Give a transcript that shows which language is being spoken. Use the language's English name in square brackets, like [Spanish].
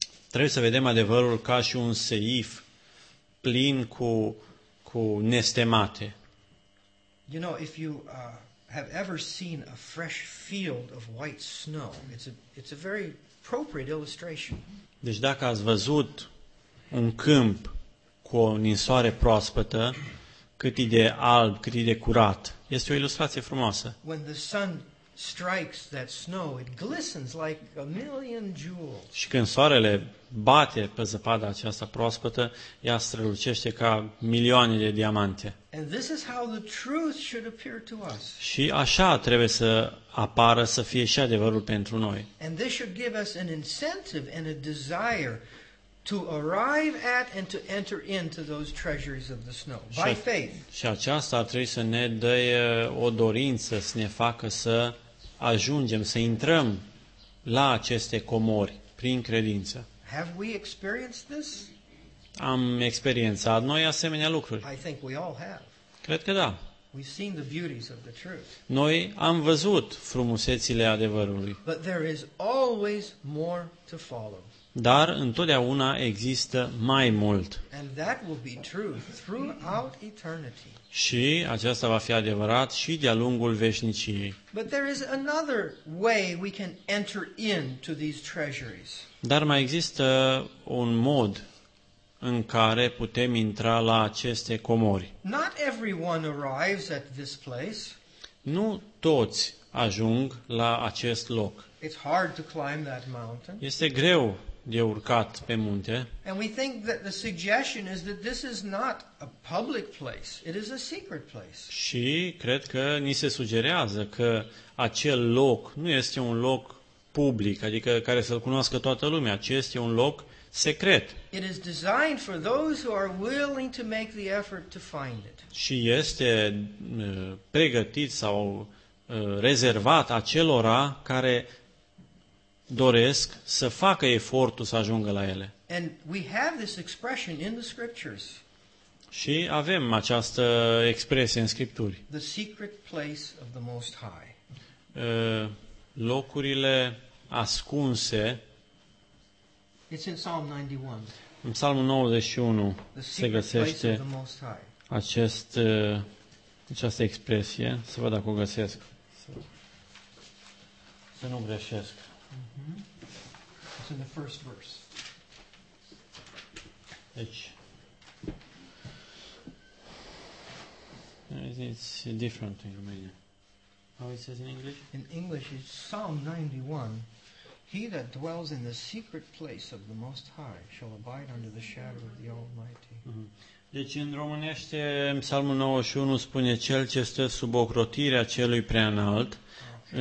[Romanian] Trebuie să vedem adevărul ca și un seif plin cu nestemate. [English] You know, if you have ever seen a fresh field of white snow, it's a very appropriate illustration. [Romanian] Deci dacă ați văzut un câmp cu o ninsoare proaspătă, cât e de alb, cât e de curat, este o ilustrație frumoasă. [English] When the sun strikes that snow, it glistens like a million jewels. [Romanian] Și când soarele bate pe zăpada aceasta proaspătă, ea strălucește ca milioane de diamante. [English] And this is how the truth should appear to us. [Romanian] Și așa trebuie să apară, să fie și adevărul pentru noi. [English] And this should give us an incentive and a desire to arrive at and to enter into those treasures of the snow by faith. [Romanian] Și aceasta ar trebui să ne dea o dorință, să ne facă să ajungem, să intrăm la aceste comori prin credință. [English] Have we experienced this? [Romanian] Am experiențat noi asemenea lucruri. [English] I think we all have. [Romanian] Cred că da. [English] We've seen the beauties of the truth. [Romanian] Noi am văzut frumusețile adevărului. [English] But there is always more to follow. [Romanian] Dar întotdeauna există mai mult. [English] And that will be true throughout eternity. [Romanian] Și aceasta va fi adevărat și de-a lungul veșniciei. [English] But there is another way we can enter into these treasuries. [Romanian] Dar mai există un mod în care putem intra la aceste comori. [English] Not everyone arrives at this place. [Romanian] Nu toți ajung la acest loc. [English] It's hard to climb that mountain. [Romanian] Este greu de urcat pe munte. [English] And we think that the suggestion is that this is not a public place. It is a secret place. [Romanian] Și cred că ni se sugerează că acel loc nu este un loc public, adică care să-l cunoască toată lumea, ci este un loc secret. [English] It is designed for those who are willing to make the effort to find it. [Romanian] Și este pregătit sau rezervat acelora care doresc să facă efortul să ajungă la ele. [English] And we have this expression in the scriptures. [Romanian] Și avem această expresie în scripturi. [English] The secret place of the Most High. [Romanian] Locurile ascunse. [English] It's in Psalm 91. [Romanian] În Psalmul 91 se găsește această expresie. Să văd dacă o găsesc. Să nu greșesc. [English] Mm-hmm. It's in the first verse. It's different in Romanian. How it says in English? In English, it's Psalm 91. He that dwells in the secret place of the Most High shall abide under the shadow of the Almighty. Mm-hmm. [Romanian] Deci în românește, Psalmul 91 spune cel ce stă sub ocrotirea celui preanalt. Okay.